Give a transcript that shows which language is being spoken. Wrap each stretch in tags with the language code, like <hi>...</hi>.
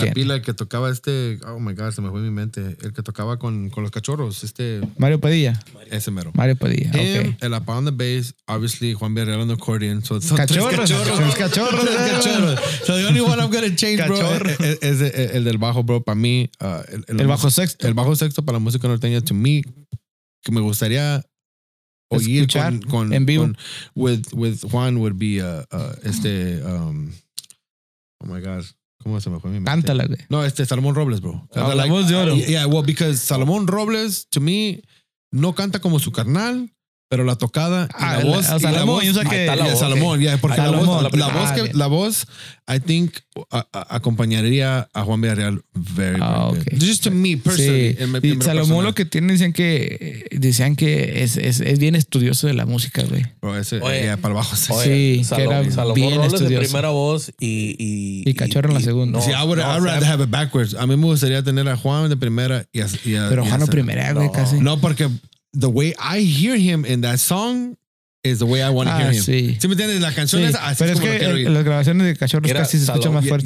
<es>En la pila, el que tocaba</es> <en>oh my God,</en> <es>se me fue mi mente. El que tocaba con los cachorros, Mario Padilla. Ese mero. Mario Padilla,</es> <en>El APA on the bass, obviously, Juan Villarreal on the accordion. So,</en> <es>cachorros.</es> <en>So the only one I'm gonna change, bro,</en> <es>es el del bajo, bro, para mí.</es> <en>El</en> <es>bajo sexto. El bajo sexto para la música norteña, to me, que me gustaría oír con en vivo.</es> <en>With Juan would be, oh my God.</en> <es>¿Cómo se me fue mi mente? Cántala, güey. No, Salomón Robles, bro. La voz de oro.</es> <en>Yeah, well, because Salomón Robles, to me,</en> <es>no canta como su carnal, pero la tocada, la voz, Salomón, yo sé que Salomón, ya, porque la voz, la voz, I think acompañaría a Juan Villarreal</es> <en>very, very good. Just to me personally.</en> <es>Sí. Salomón, lo que tiene, decían que es bien estudioso de la música, güey. Pero ese, oye, para abajo, sí, oye, sí, que era Salomón bien estudioso. Salomón Robles de primera voz y Cachorro en la segunda.</es> <en>No, sí, I'd rather have it backwards.</en> <es>A mí me gustaría tener a Juan de primera y a pero Juan no primera, güey, casi.</es> <en>No, porque the way I hear him in that song is the way I want to hear him.</en> <es>Sí. ¿Sí me entiendes? La canción sí. Esa, así pero es como es que las grabaciones de Cachorros era casi se escucha más fuerte.</es>